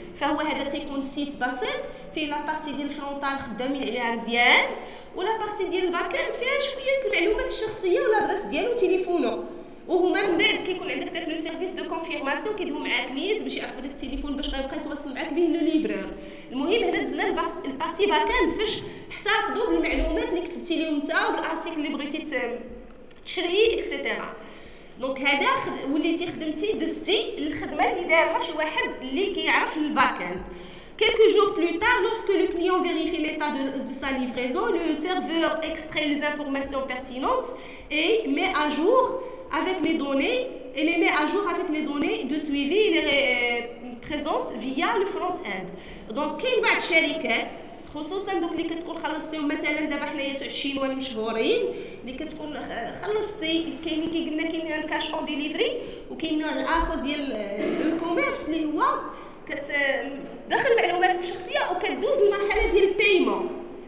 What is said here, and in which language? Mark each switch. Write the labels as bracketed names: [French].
[Arabic] فهو هذا تيكون سيت بسيط فيه لا بارتي ديال الفرونتال خدامين عليها مزيان ولا بارتي ديال الباك اند فيها شويه المعلومات الشخصيه ولا الادرس ديالو وتليفونه، وهما من بعد كيكون عندك داك لو سيرفيس دو كونفيرماسيون كيدوي معاك نيت باش يعرفوا داك التليفون باش غيبقى يتواصل معاك به لو ليفرور. المهم هنا دزنا البارتي باك اند فاش احتفظوا بالمعلومات اللي كتبتي لهم نتا والارتيكل اللي بغيتي تشري اكسيتيرا. دونك هذا وليتي خدمتي دزتي الخدمه اللي دارها شي واحد اللي كيعرف الباك اند. [French] Quelques jours plus tard, lorsque le client vérifie l'état de sa livraison, le serveur extrait les informations pertinentes et met à jour avec les données et les met à jour avec les données de suivi et les présente via le front-end. Donc, quelle est la [Arabic] خصوصا دوك اللي كتكون خلصتيهم مثلا دابا حنايا تاع الشينوا المشهورين اللي كتكون خلصتي كاين كي قلنا كاين الكاش اون ديليفري وكاين الاخر ديال الكوميرس اللي هو كتدخل معلوماتك الشخصيه وكدوز المرحله ديال البيمون.